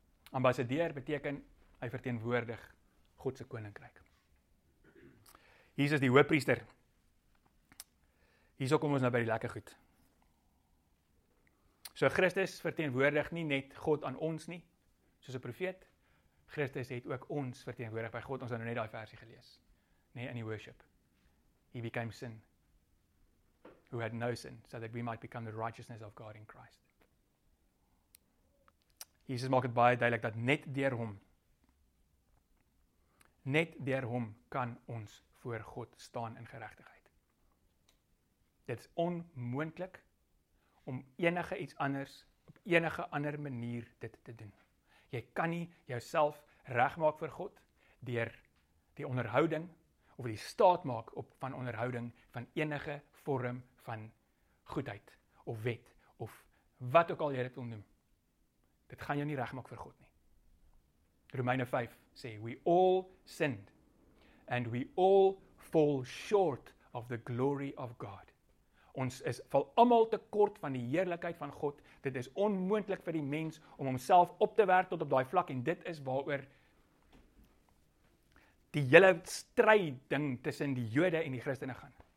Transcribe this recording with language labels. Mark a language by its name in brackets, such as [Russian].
[Afrikaans] Ambassadeur beteken hy verteenwoordig God se koninkryk. Jesus die hoëpriester. Hierso kom ons nou by die lekker goed. So Christus verteenwoordig nie net God aan ons nie, soos 'n profeet. Christus het ook ons verteenwoordig by God. Ons het nou net daai versie gelees. Nee, in die worship. [English] He became sin, who had no sin, so that we might become the righteousness of God in Christ. [Afrikaans] Jesus maak het baie duidelik dat net deur hom kan ons voor God staan in geregtigheid. Dit is onmoontlik om enige iets anders, op enige ander manier dit te doen. Jy kan nie jouself regmaak voor God deur die onderhouding of die staat maak op van onderhouding van enige vorm van goedheid of wet of wat ook al jy dit wil noem. Dit gaan jou nie regmaak vir God nie. Romeine 5 sê, [English] we all sinned and we all fall short of the glory of God. [Afrikaans] Ons is val almal te kort van die heerlikheid van God. Dit is onmoontlik vir die mens om homself op te werk tot op daai vlak en dit is waaroor die hele stryd ding tussen die Jode en die Christene gaan.